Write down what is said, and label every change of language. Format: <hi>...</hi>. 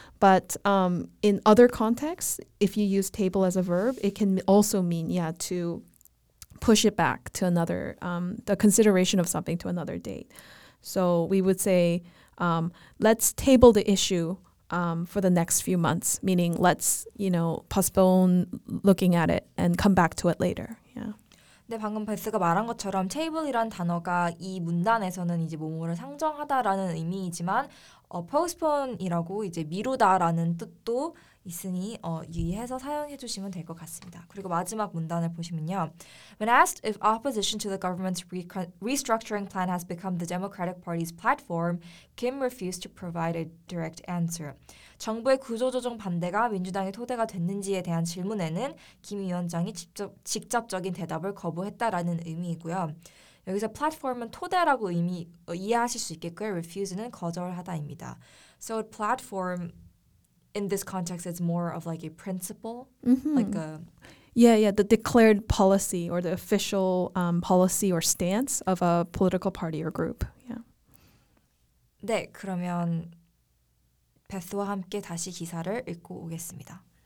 <en>But in other contexts, if you use table as a verb, it can also mean, yeah, to push it back to another, the consideration of something to another date. So we would say, let's table the issue for the next few months, meaning let's, you know, postpone looking at it and come back to it later. Yeah.</en> <ko>네, 방금 베스가 말한 것처럼 table이란 단어가 이 문단에서는 이제 뭐뭐를 상정하다라는 의미이지만 postpone이라고 이제 미루다라는 뜻도 있으니 유의해서 사용해 주시면 될 것 같습니다. 그리고 마지막 문단을 보시면요. When asked if opposition to the government's restructuring plan has become the Democratic Party's platform, Kim refused to provide a direct answer. 정부의 구조조정 반대가 민주당의 토대가 됐는지에 대한 질문에는 김 위원장이 직접적인 대답을 거부했다라는 의미이고요. 여기서 platform은 토대라고 이해하실 수 있겠고요. refuse는 거절하다입니다.</ko> <en>So a platform in this context, it's more of like a principle, mm-hmm. like a... Yeah, yeah, the declared policy or the official policy or stance of a political party or group, yeah.</en> <ko>네, 그러면 베스와 함께 다시 기사를 읽고 오겠습니다.</ko>